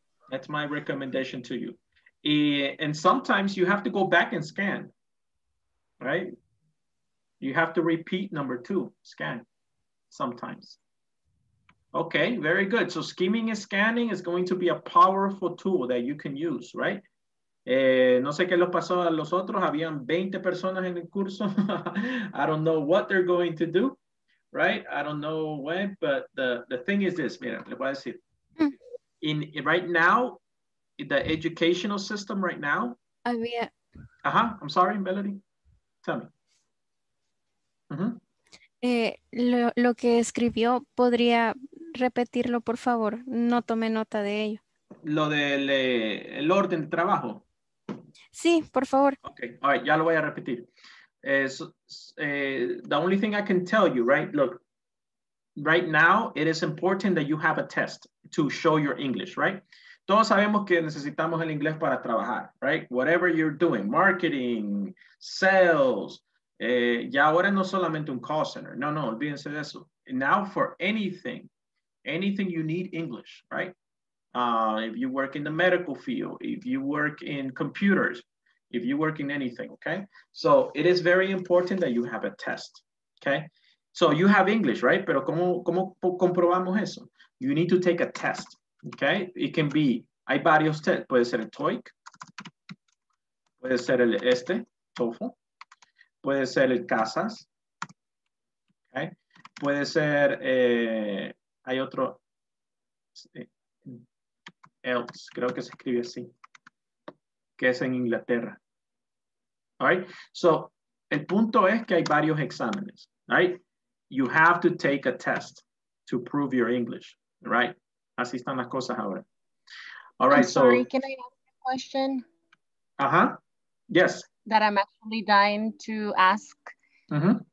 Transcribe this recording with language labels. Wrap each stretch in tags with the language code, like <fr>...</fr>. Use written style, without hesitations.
<en>That's my recommendation to you. And sometimes you have to go back and scan, right? You have to repeat number two, scan, sometimes. Okay, very good. So skimming and scanning is going to be a powerful tool that you can use, right?</en> <es>No sé qué lo pasó a los otros. Habían 20 personas en el curso.</es> <en>I don't know what they're going to do, right? I don't know when, but the thing is this,</en> <es>mira, le voy a decir.</es> <en>Right now, the educational system right now. I'm sorry, Melody. Tell me.</en> <es>Lo que escribió podría repetirlo, por favor. No tome nota de ello. Lo del el orden de trabajo. Sí, por favor.</es> <en>Okay, all right,</en> <es>ya lo voy a repetir.</es> <en>The only thing I can tell you, right? Look, right now it is important that you have a test to show your English, right?</en> <es>Todos sabemos que necesitamos el inglés para trabajar, right?</es> <en>Whatever you're doing, marketing, sales,</en> <es>ya ahora no solamente un call center. No, no, olvídense de eso.</es> <en>Now for anything, anything you need English, right? If you work in the medical field, if you work in computers, if you work in anything, okay? So it is very important that you have a test, okay? So you have English, right?</en> <es>Pero ¿cómo comprobamos eso?</es> <en>You need to take a test, okay? It can be,</en> <es>hay varios tests. Puede ser el TOEIC. Puede ser el este, TOEFL. Puede ser el CASAS. Okay? Puede ser, hay otro, ELTS, creo que se escribe así, que es en Inglaterra.</es> <en>All right, so</en> <es>el punto es que hay varios exámenes, right?</es> <en>You have to take a test to prove your English, right?</en> <es>Así están las cosas ahora.</es> <en>All right, I'm sorry, so. Can I ask a question? Uh-huh, yes. That I'm actually dying to ask. Mm-hmm.</en>